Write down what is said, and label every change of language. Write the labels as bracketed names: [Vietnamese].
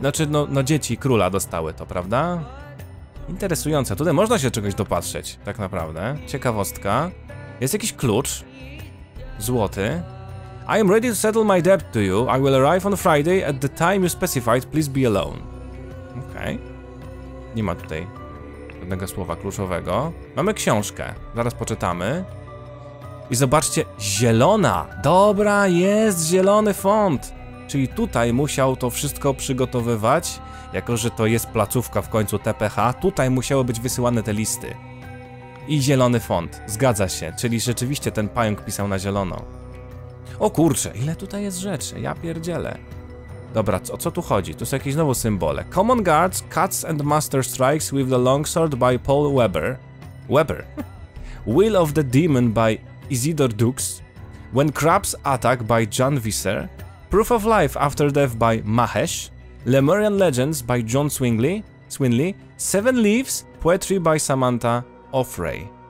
[Polish] Znaczy, no dzieci króla dostały to, prawda? Interesujące. Tutaj można się czegoś dopatrzeć, tak naprawdę. Ciekawostka. Jest jakiś klucz. Złoty. [English] I am ready to settle my debt to you. I will arrive on Friday at the time you specified. Please be alone. Okej. Okay. [Polish] Nie ma tutaj żadnego słowa kluczowego. Mamy książkę. Zaraz poczytamy. I zobaczcie, zielona. Dobra, jest zielony font. Czyli tutaj musiał to wszystko przygotowywać. Jako, że to jest placówka w końcu TPH, tutaj musiały być wysyłane te listy. I zielony font. Zgadza się. Czyli rzeczywiście ten pająk pisał na zielono. O kurczę, ile tutaj jest rzeczy. Ja pierdzielę. Dobra, o co tu chodzi? Tu są jakieś nowe symbole. [English] Common Guards, Cuts and Master Strikes with the Longsword by Paul Weber. Weber. Will of the Demon by Isidore Dux. When Crabs Attack by John Visser. Proof of Life After Death by Mahesh. Lemurian Legends by John Swinley, Seven Leaves, Poetry by Samantha Aufrey.